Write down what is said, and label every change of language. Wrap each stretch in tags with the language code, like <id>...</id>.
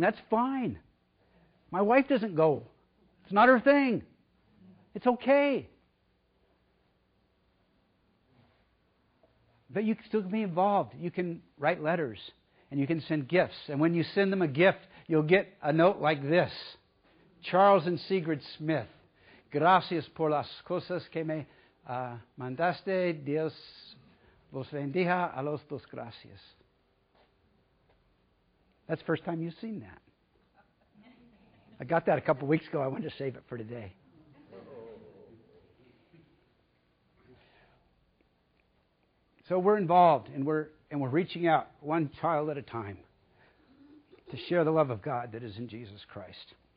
<en>That's fine. My wife doesn't go. It's not her thing. It's okay. But you can still be involved. You can write letters and you can send gifts. And when you send them a gift, you'll get a note like this. Charles and Sigrid Smith.</en> <es>Gracias por las cosas que me mandaste. Dios los bendiga a los dos. Gracias.</es> <en>That's the first time you've seen that. I got that a couple weeks ago. I wanted to save it for today. So we're involved and we're reaching out one child at a time to share the love of God that is in Jesus Christ.</en>